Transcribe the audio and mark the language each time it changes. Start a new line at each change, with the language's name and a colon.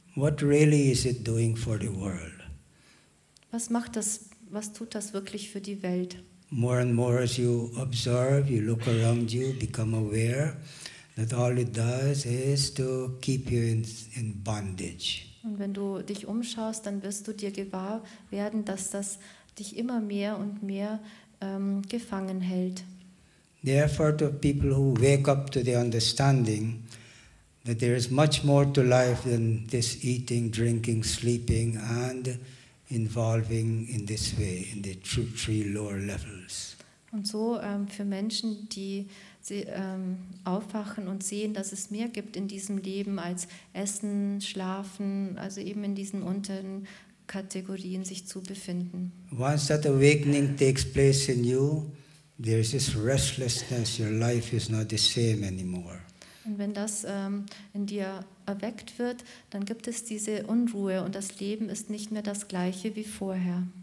English: What really is it doing for the world?
German: Was macht das, was tut das wirklich für die Welt?
English: More and more as you observe, you look around you, become aware that all it does is to keep you in bondage.
German: Und wenn du dich umschaust, dann wirst du dir gewahr werden, dass das dich immer mehr und mehr gefangen hält.
English: The effort of people who wake up to the understanding that there is much more to life than this eating, drinking, sleeping and involving in this way, in the three lower levels.
German: Und so für Menschen, die aufwachen und sehen, dass es mehr gibt in diesem Leben als Essen, Schlafen, also eben in diesen unteren Kategorien sich zu befinden.
English: Once that awakening takes place in you, there is this restlessness, your life is not the same anymore.
German: Und wenn das in dir erweckt wird, dann gibt es diese Unruhe und das Leben ist nicht mehr das gleiche wie vorher.